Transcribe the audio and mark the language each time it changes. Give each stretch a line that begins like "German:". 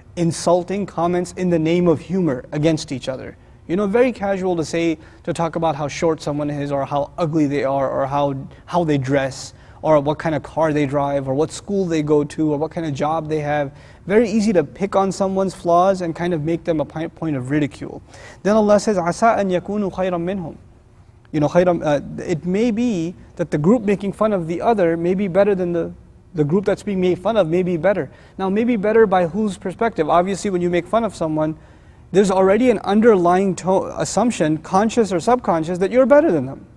English: insulting comments in the name of humor against each other. You know, very casual to say, to talk about how short someone is, or how ugly they are, or how they dress, or what kind of car they drive, or what school they go to, or what kind of job they have. Very easy to pick on someone's flaws and kind of make them a point of ridicule. Then Allah says,
Arabic: عَسَىٰ أَن يَكُونُوا خَيْرًا مِّنْهُمْ.
English: You know, خَيْرًا, it may be that the group making fun of the other may be better than the group that's being made fun of may be better. Now, maybe better by whose perspective? Obviously, when you make fun of someone, there's already an underlying assumption, conscious or subconscious, that you're better than them.